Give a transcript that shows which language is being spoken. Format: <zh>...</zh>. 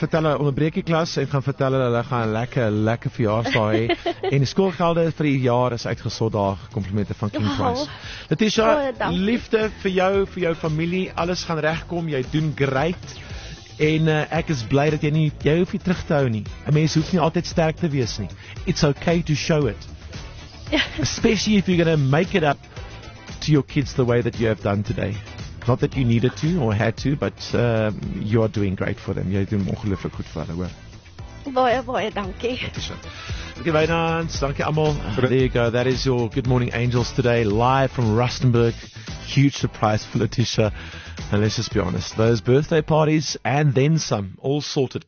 <af>vertel hulle, onderbreek die klas en gaan vertel hulle, hulle gaan lekker verjaarsdag hê. En die skoolgelde vir die jaar is uitgesort daar, komplimente van King Price. Letitia, liefde vir jou familie, alles gaan regkom, jy doen great. En ek is bly dat jy nie, jy hoef nie terug te hou nie. Een mens hoef nie altyd sterk te wees nie.</af> <en>It's okay to show it. Especially if you're going to make it up to your kids the way that you have done today. Not that you needed to or had to, but you're doing great for them.</en> <af>Jy doen ongelooflik goed vir hulle, hoor. Baie, baie, dankie. Dankie, Wynands. Dankie, Amal.</af> <en>There you go. That is your Good Morning Angels today, live from Rustenburg. Huge surprise for Letitia. And let's just be honest, those birthday parties and then some, all sorted.</en>